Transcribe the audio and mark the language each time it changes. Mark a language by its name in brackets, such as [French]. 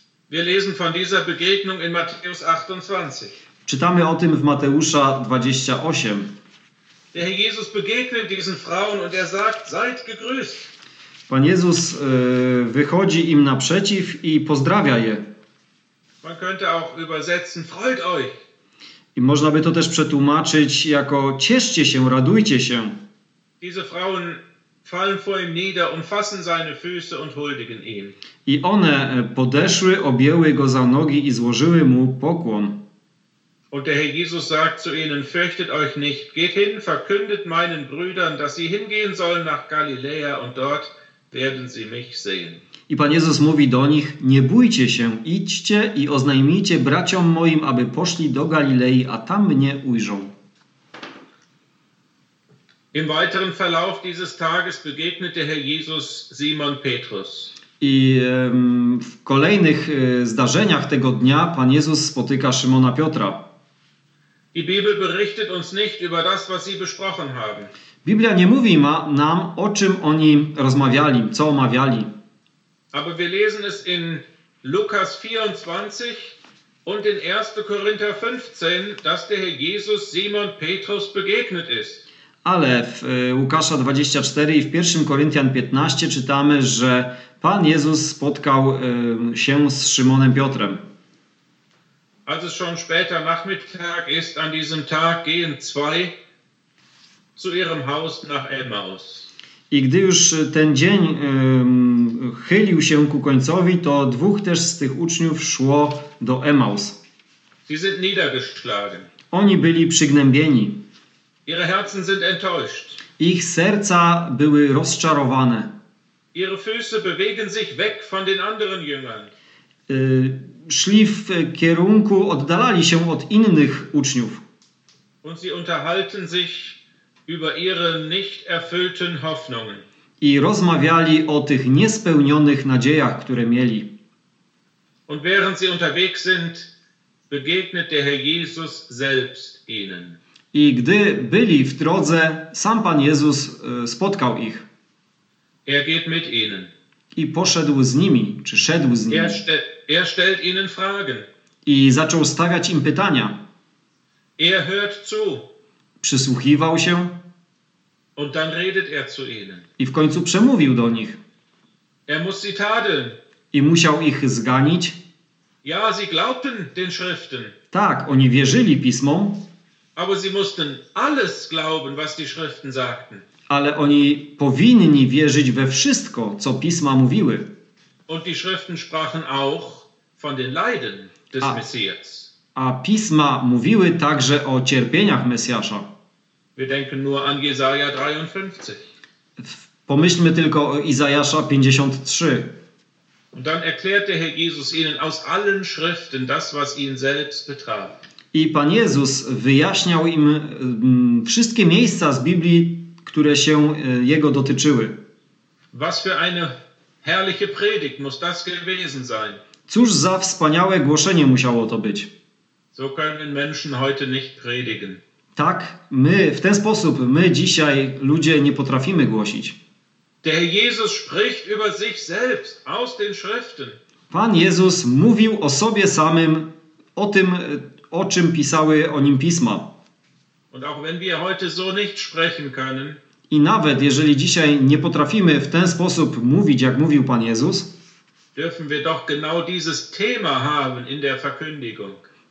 [German] Wir lesen von dieser Begegnung in Matthäus 28. [Polish] Czytamy o tym w Mateusza 28. [German] Der Herr Jesus begegnet diesen Frauen und er sagt, seid gegrüßt. [Polish] Pan Jezus wychodzi im naprzeciw i pozdrawia je. [German] Man könnte auch übersetzen, freut euch. [Polish] I można by to też przetłumaczyć jako cieszcie się, radujcie się. [German] Diese Frauen fallen vor ihm nieder, umfassen seine Füße und huldigen ihm. [Polish] I one podeszły, objęły go za nogi i złożyły mu pokłon. [German] Und der Herr Jesus sagt zu ihnen, fürchtet euch nicht, geht hin, verkündet meinen Brüdern, dass sie hingehen sollen nach Galiläa und dort werden sie mich sehen. [Polish] I Pan Jezus mówi do nich, nie bójcie się, idźcie i oznajmijcie braciom moim, aby poszli do Galilei, a tam mnie ujrzą. [German] Im weiteren Verlauf dieses Tages begegnete Herr Jesus Simon Petrus. [Polish] I w kolejnych zdarzeniach tego dnia Pan Jezus spotyka Szymona Piotra. [German] Die Bibel berichtet uns nicht über das, was sie besprochen haben. [Polish] Biblia nie mówi nam, o czym oni rozmawiali, co omawiali. [German] Aber wir lesen es in Lukas 24 und in 1. Korinther 15, dass der Herr Jesus Simon Petrus begegnet ist. [Polish] Ale w Łukasza 24 i w 1 Koryntian 15 czytamy, że Pan Jezus spotkał się z Szymonem Piotrem. [German] Als es schon später Nachmittag ist, an diesem Tag gehen zwei zu ihrem Haus nach Emmaus. [Polish] I gdy już ten dzień chylił się ku końcowi, to dwóch też z tych uczniów szło do Emmaus. [German] Sie sind niedergeschlagen. [Polish] Oni byli przygnębieni. [German] Ihre Herzen sind enttäuscht. [Polish] Ich serca były rozczarowane. [German] Ihre Füße bewegen sich weg von den anderen Jüngern. [Polish] Szli w kierunku, oddalali się od innych uczniów. [German] Und sie unterhalten sich über ihre nicht erfüllten Hoffnungen. [Polish] I rozmawiali o tych niespełnionych nadziejach, które mieli. [German] Und während sie unterwegs sind, begegnet der Herr Jesus selbst ihnen. [Polish] I gdy byli w drodze, sam Pan Jezus spotkał ich. [German] Er geht mit ihnen. [Polish] I poszedł z nimi, czy szedł z nimi. [German] Er stellt ihnen Fragen. [Polish] I zaczął stawiać im pytania. [German] Er hört zu. [Polish] Przysłuchiwał się. [German] Und dann redet er zu ihnen. [Polish] I w końcu przemówił do nich. [German] Er muss sie tadeln. [Polish] I musiał ich zganić. [German] Ja, sie glaubten den Schriften. [Polish] Tak, oni wierzyli pismom. [German] Aber sie mussten alles glauben, was die Schriften sagten. [Polish] Ale oni powinni wierzyć we wszystko, co Pisma mówiły. [German] Und die Schriften sprachen auch von den Leiden des Messias. [Polish] A Pisma mówiły także o cierpieniach Mesjasza. [German] Wir denken nur an Jesaja 53. [Polish] Pomyślmy tylko o Izajasza 53. [German] Und dann erklärte Herr Jesus ihnen aus allen Schriften das, was ihn selbst betraf. [Polish] I Pan Jezus wyjaśniał im wszystkie miejsca z Biblii, które się Jego dotyczyły. [German] Was für eine herrliche Predigt muss das gewesen sein. [Polish] Cóż za wspaniałe głoszenie musiało to być. [German] So können Menschen heute nicht predigen. [Polish] Tak, my w ten sposób, my dzisiaj ludzie nie potrafimy głosić. [German] Der Jesus spricht über sich selbst aus den Schriften. [Polish] Pan Jezus mówił o sobie samym, o tym, o czym pisały o nim pisma. [German] Und auch wenn wir heute so nicht sprechen können, [Polish] i nawet jeżeli dzisiaj nie potrafimy w ten sposób mówić, jak mówił Pan Jezus, [German] dürfen wir doch genau dieses Thema haben in der Verkündigung.